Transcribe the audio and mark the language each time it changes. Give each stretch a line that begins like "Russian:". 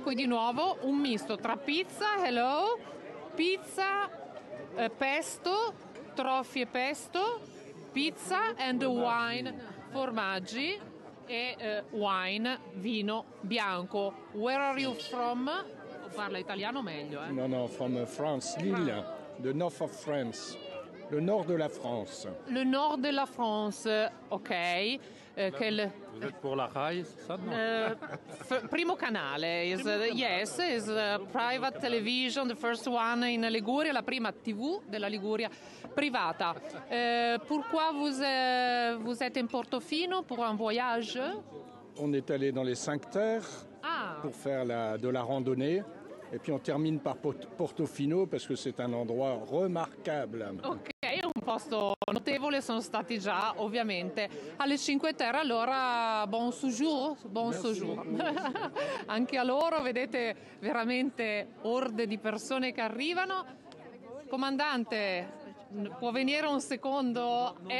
Italian: Qui di nuovo un misto tra pizza, hello, pizza, pesto, trofie pesto,
English: pizza and wine,
Italian: formaggi e wine, vino bianco.
English: Where are you from?
Italian: Parla italiano meglio, eh?
English: No, no, from France, Lille, the north of France.
French: Le nord de la France. Le nord de la France, ok. Quel... Pour la RAI, ça, non?
Italian: Primo canale,
English: is, yes, is private television, the first one in Liguria,
Italian: la prima TV della Liguria privata.
French: Pourquoi vous êtes in Portofino pour un voyage? On est allé dans les Cinque Terres pour faire de la randonnée. Et puis on termine par Portofino parce que c'est un endroit remarquable.
Italian: Ok, un posto notevole, sono stati già ovviamente alle Cinque Terre, allora
French: bon séjour, bon séjour.
Italian: Anche a loro, vedete veramente orde di persone che arrivano. Comandante, può venire un secondo?